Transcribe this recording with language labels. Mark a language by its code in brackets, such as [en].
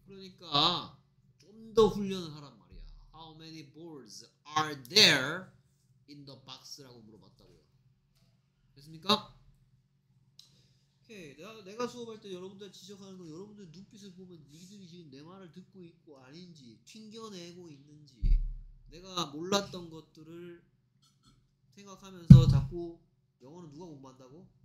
[ko] 그러니까 좀 더 훈련을 하란 말이야. [en] How many balls are there in the box? [ko] 라고 물어봤다고요. 됐습니까? 오케이. 내가 수업할 때 여러분들 지적하는 건 여러분들 눈빛을 보면 니들이 지금 내 말을 듣고 있고 아닌지 튕겨내고 있는지 내가 몰랐던 것들을 생각하면서 자꾸 영어는 누가 공부한다고?